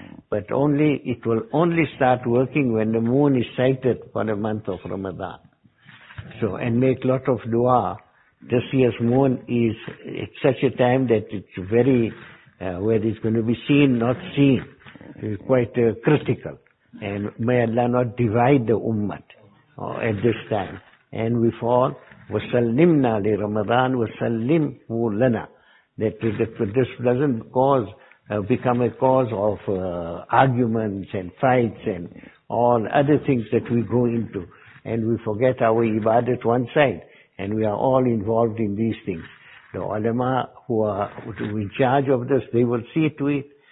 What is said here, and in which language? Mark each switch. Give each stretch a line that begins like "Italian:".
English: But only, it will only start working when the moon is sighted for the month of Ramadan. So, and make lot of dua this year's moon is at such a time that it's very, where it's going to be seen, not seen, quite critical. And may Allah not divide the ummah at this time. And we fall,
Arabic: وَسَلِّمْنَا لِرَمَضَانِ وَسَلِّمْهُ لَنَا.
English: That this doesn't cause, become a cause of arguments and fights and all other things that we go into. And we forget our ibadat one side. And we are all involved in these things. The ulama who are in charge of this, they will see to it.